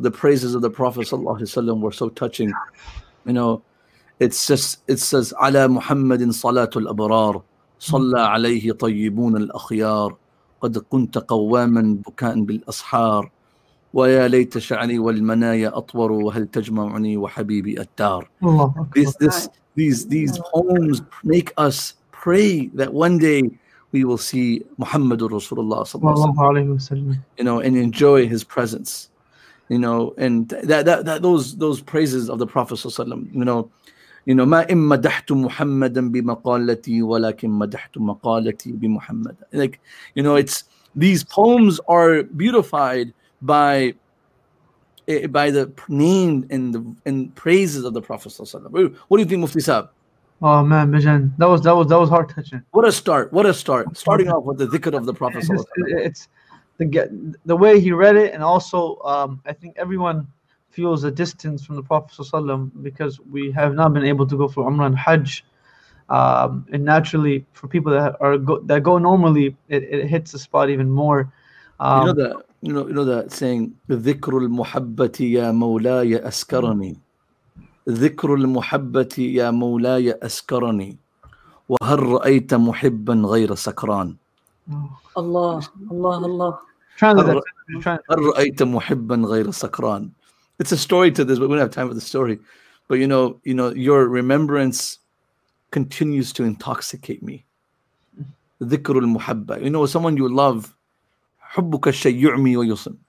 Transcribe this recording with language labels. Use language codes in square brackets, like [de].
[en] The praises of the Prophet sallallahu alaihi wasallam were so touching. You know, it says [ar] على محمد صلاة الأبرار صلى عليه طيبون الأخيار قد كنت قواما بكاء بالأصحار ويا ليت شعري والمنايا أطور وهل تجمعني وحبيبي التار. [en] These poems make us pray that one day we will see Muhammad Rasulullah sallallahu alaihi wasallam. You know, and enjoy his presence. You know, and those praises of the Prophet sallallahu alaihi wasallam. You know, [ar] ما إن مدحت محمدا بمقالتي ولكن مدحت مقالتي بمحمد. [en] Like, you know, it's these poems are beautified by the name and praises of the Prophet sallallahu alaihi wasallam. What do you think, Mufti Saab? Oh man, Bijan, that was heart touching. What a start! Starting off with the dhikr of the Prophet sallallahu alaihi wasallam. It's the way he read it, and also I think everyone feels a distance from the Prophet sallallahu alaihi wasallam because we have not been able to go for Umrah and Hajj, and naturally for people that go normally, it hits the spot even more. You know that saying, [ar] "Dhikr al-muhabbati ya mawlaya askarani." ذكر المحبة يا مولاي أسكرني وهل رأيت محبا غير سكران الله الله الله هل رأيت محبا غير سكران. [en] It's a story to this, but we don't have time for the story. But you know, your remembrance continues to intoxicate me. [ar] ذكر المحبة. [en] You know, someone you love, [ar] حبك الشيء يعمي ويصم.